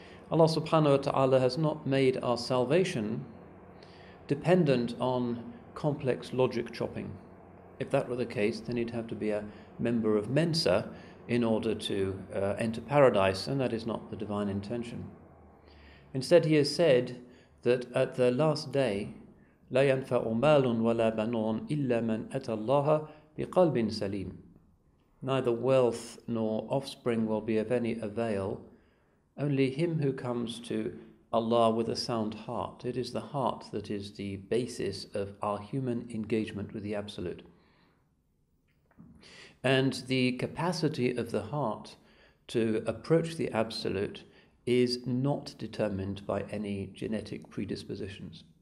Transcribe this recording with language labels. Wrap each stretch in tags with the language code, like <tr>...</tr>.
<en>Allah subhanahu wa ta'ala has not made our salvation dependent on complex logic chopping. If that were the case, then you'd have to be a member of Mensa in order to enter paradise, and that is not the divine intention. Instead, he has said that at the last day,</en> <ar>لَا يَنْفَعُ مَالٌ وَلَا بَنُونَ إِلَّا مَنْ أَتَى اللَّهَ بِقَلْبٍ سَلِيمٍ.</ar> <en>Neither wealth nor offspring will be of any avail, only him who comes to Allah with a sound heart. It is the heart that is the basis of our human engagement with the Absolute. And the capacity of the heart to approach the Absolute is not determined by any genetic predispositions.</en>